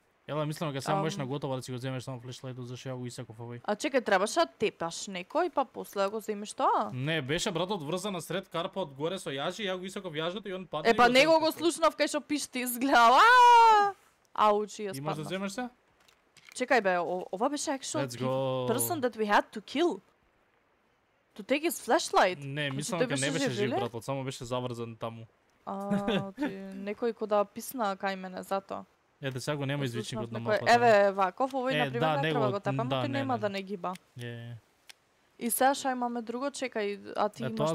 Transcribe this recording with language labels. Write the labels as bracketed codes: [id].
[mk] Ела мислам дека само беше наготова да си го вземеш само флешлайто зашто ја го исеков овој. А чекај, требаше да тепаш некој па после да го вземеш тоа? Не, беше братот врзан на сред карпа од горе со јажи, ја го исеков јажето и он пада. Е па него го слушнав кај што пишти изгледа. Аучи, ја спаднав. Имаш да вземеш се? Чекај бе, ова беше [en] actual person that we had to kill. To take his flashlight. [mk] Не, мислам дека не беше жив брат, само беше заврзан таму. А, некој ко да писна кај мене затоа. Ете, сега го нема извичник од намапа. Еве, ваков, овој на пример не треба го тапам, ти нема да не гиба. Е. И сега шо имаме друго, чекај, а ти имаш таква врача.